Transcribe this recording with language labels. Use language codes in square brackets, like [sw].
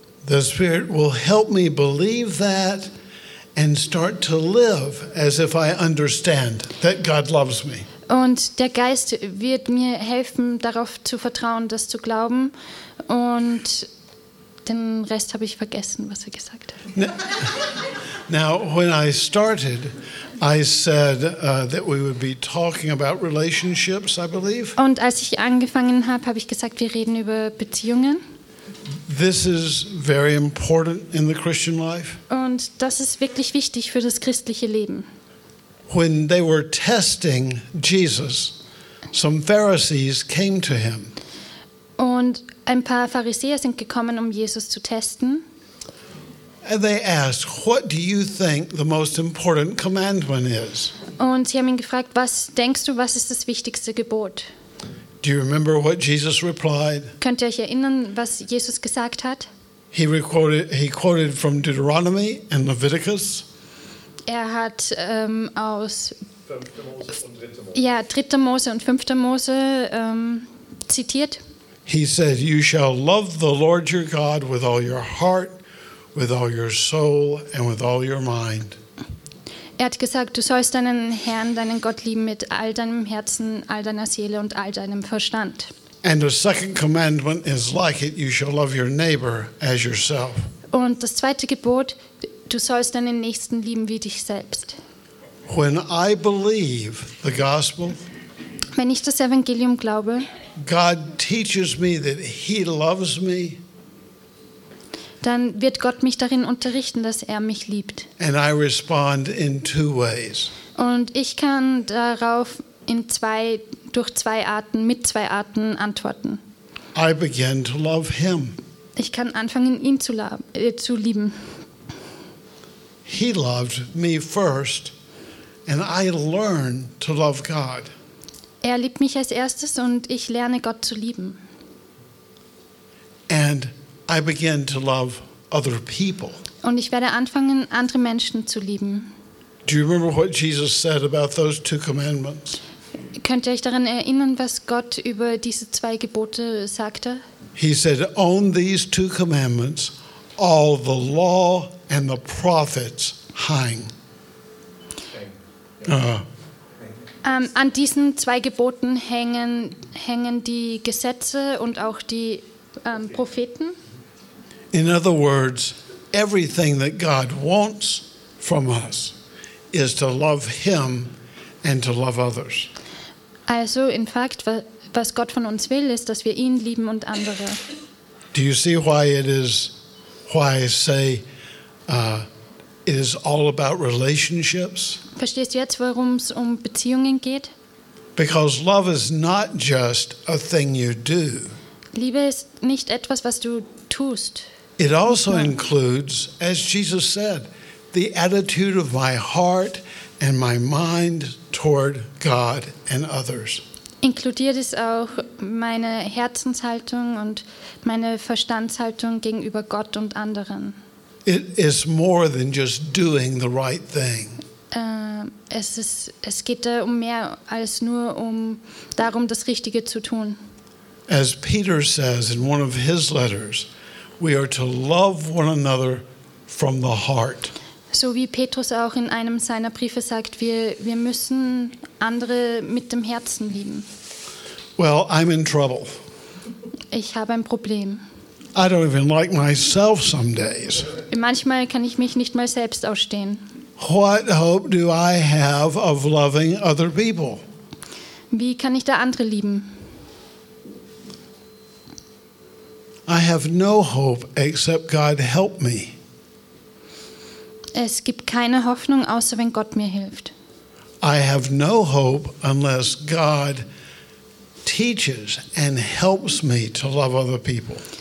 [en] The Spirit will help me believe that and start to live as if I understand that God loves me. [de] Und der Geist wird mir helfen, darauf zu vertrauen, das zu glauben. Und den Rest habe ich vergessen, was er gesagt hat. [en] Now, when I started, I said that we would be talking about relationships, I believe. [de] Und als ich angefangen habe, habe ich gesagt, wir reden über Beziehungen. [en] This is very important in the Christian life. [de] Und das ist wirklich wichtig für das christliche Leben. [en] When they were testing Jesus, some Pharisees came to him. [de] Und ein paar Pharisäer sind gekommen, um Jesus zu testen. [en] And they asked, "What do you think the most important commandment is?" [de] Und sie haben ihn gefragt, was denkst du, was ist das wichtigste Gebot? [en] Do you remember what Jesus replied? [de] Könnt ihr euch erinnern, was Jesus gesagt hat? [en] He quoted from Deuteronomy and Leviticus. [de] Er hat aus 3. Mose und 5. Mose zitiert. [en] He said, "You shall love the Lord your God with all your heart, with all your soul, and with all your mind." [de] Er hat gesagt, du sollst deinen Herrn, deinen Gott lieben mit all deinem Herzen, all deiner Seele und all deinem Verstand. [en] And the second commandment is like it: you shall love your neighbor as yourself. [de] Und das zweite Gebot: Du sollst deinen Nächsten lieben wie dich selbst. [en] When I believe the gospel, [de] wenn ich das Evangelium glaube, [en] God teaches me that he loves me. [de] Dann wird Gott mich darin unterrichten, dass er mich liebt. [en] And I respond in two ways. [de] Und ich kann darauf mit zwei Arten antworten. [en] I begin to love him. [de] Ich kann anfangen, ihn zu lieben. [en] He loved me first, and I learn to love God. [de] Er liebt mich als erstes, und ich lerne Gott zu lieben. [en] And I begin to love other people. [de] Und ich werde anfangen, andere Menschen zu lieben. [en] Do you remember what Jesus said about those two commandments? [de] Könnt ihr euch daran erinnern, was Gott über diese zwei Gebote sagte? [en] He said, "On these two commandments, all the law and the prophets hang. [de] An diesen zwei Geboten hängen die Gesetze und auch die Propheten. [en] In other words, everything that God wants from us is to love him and to love others. [de] Also in fact, was Gott von uns will, ist, dass wir ihn lieben und andere. [en] Do you see why it is, why I say it is all about relationships? [de] Verstehst du jetzt, worum es um Beziehungen geht? [en] Because love is not just a thing you do. [de] Liebe ist nicht etwas, was du tust. [en] It also includes, as Jesus said, the attitude of my heart and my mind toward God and others. [de] Inkludiert es auch meine Herzenshaltung und meine Verstandshaltung gegenüber Gott und anderen. [en] It is more than just doing the right thing. [de] Es geht da um mehr als nur um darum, das Richtige zu tun. [en] As Peter says in one of his letters, we are to love one another from the heart. [de] So wie Petrus auch in einem seiner Briefe sagt, wir müssen andere mit dem Herzen lieben. [en] Well, I'm in trouble. [de] Ich habe ein Problem. [en] I don't even like myself some days. [de] Manchmal kann ich mich nicht mal selbst ausstehen. [en] What hope do I have of loving other people? [de] Wie kann ich da andere lieben? [en] I have no hope except God help me. [de] Es gibt keine Hoffnung, außer wenn Gott mir hilft. [en] I have no hope unless God teaches and helps me to love other people.